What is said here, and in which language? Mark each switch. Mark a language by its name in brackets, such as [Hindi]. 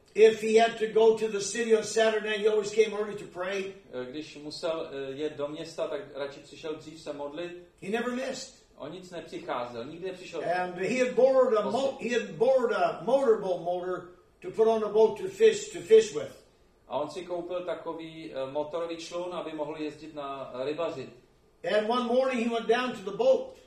[English] If he had to go to the city on Saturday, he always came early to pray. [Czech] Když musel jet do města, tak radši přišel dřív se modlit. [English] He never missed. [Czech] On nic nepřicházel, nikdy nepřišel. [English] And he had borrowed a motorboat to put on a boat to fish with. [Czech] A on si koupil takový motorový člun, aby mohl jezdit na rybařit. [English] And one morning he went down to the boat.